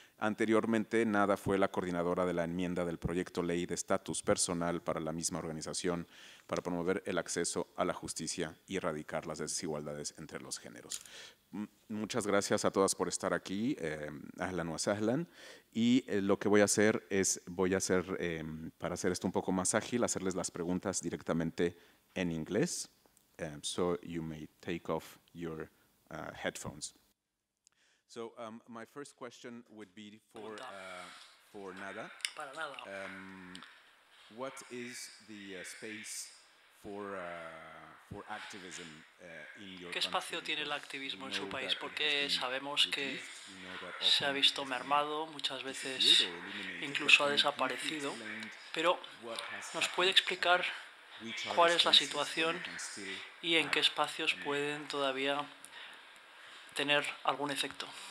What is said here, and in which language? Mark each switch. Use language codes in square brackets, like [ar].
[es] Anteriormente, Nada fue la coordinadora de la enmienda del proyecto Ley de Estatus Personal para la misma organización para promover el acceso a la justicia y erradicar las desigualdades entre los géneros. Muchas gracias a todas por estar aquí, [ar] ahlan wa sahlan. [es] Y lo que voy a hacer es, para hacer esto un poco más ágil, hacerles las preguntas directamente en inglés. [en] So you may take off your headphones. So my first question would be for Nada. [es] Para Nada. [en] What is the space for activism in your [es] ¿Qué espacio [en] country? [es] Tiene el activismo en su país? Porque sabemos que se ha visto mermado, muchas veces incluso ha desaparecido, pero ¿nos puede explicar cuál es la situación y en qué espacios pueden todavía tener algún efecto?